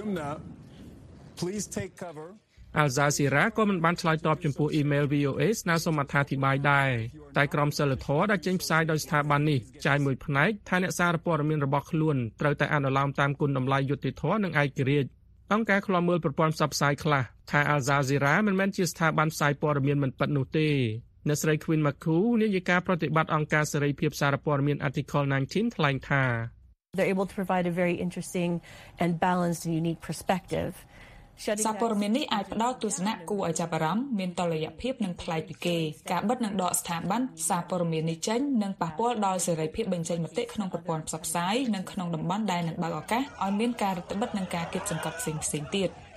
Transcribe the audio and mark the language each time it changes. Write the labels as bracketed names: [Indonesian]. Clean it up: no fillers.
[Khmer] ល់ហ្សាហ្ស៊ីរ៉ាក៏មិនបានឆ្លើយតបចំពោះអ៊ីមែល VOA ស្នើសុំអត្ថាធិប្បាយដែរតែក្រុមសិលធរដែលចេញផ្សាយដោយស្ថាប័ននេះចាយមួយផ្នែកថាអ្នកសារព័ត៌មានរបស់ខ្លួនត្រូវតែអនុលោមតាមគុណតម្លៃយុត្តិធម៌និងឯករាជ្យអង្គការឃ្លាំមើលប្រព័ន្ធផ្សព្វផ្សាយខ្លះថាអាល់ហ្សាហ្ស៊ីរ៉ាមិនមែនជាស្ថាប័នផ្សាយព័ត៌មានមិនពិតនោះទេអ្នកស្រី Queen Maku នាយិកាប្រតិបត្តិអង្គការសេរីភាពសារព័ត៌មាន Article 19ថ្លែងថា [English] They're able to provide a very interesting and balanced and unique perspective. [Khmer] សារព័ត៌មាននេះអាចផ្ដល់ទស្សនៈគួរឲ្យចាប់អារម្មណ៍មានតុល្យភាពនិងប្លែកពីគេការបិទនិងដកស្ថាប័នសារព័ត៌មាននេះចេញនឹងប៉ះពាល់ដល់សេរីភាពបញ្ចេញមតិក្នុងប្រព័ន្ធផ្សព្វផ្សាយនិងក្នុងតំបន់ដែលនឹងបើកឱកាសឲ្យមានការរឹតបន្តឹងនិងការគាបសង្កត់ផ្សេងៗទៀត